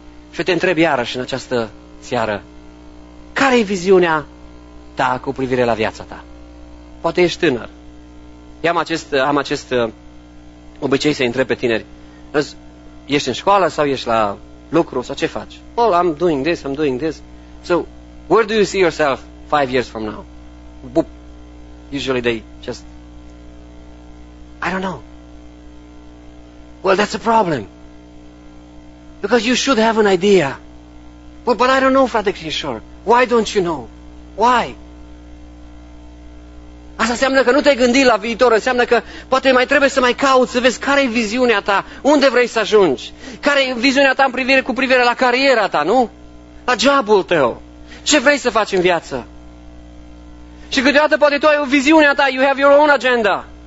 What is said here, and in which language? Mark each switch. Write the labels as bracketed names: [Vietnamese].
[Romanian] Și te întreb iarăși în această seară, care e viziunea ta cu privire la viața ta. Poate ești tânăr. Eu am acest obicei să-i întreb pe tineri. Ești în școală sau ești la lucru sau ce faci? [English] Well, I'm doing this. So, where do you see yourself 5 years from now? Boop. Usually they just, I don't know. Well, that's a problem. Because you should have an idea. But I don't know, Frate Crișor. Why don't you know? Why? [Romanian] Asta înseamnă că nu te-ai gândit la viitor, înseamnă că poate mai trebuie să mai cauți, să vezi care e viziunea ta, unde vrei să ajungi, care e viziunea ta cu privire la cariera ta, nu? La job-ul tău. Ce vrei să faci în viață? Și câteodată poate tu ai o viziune a ta, [English] you have your own agenda.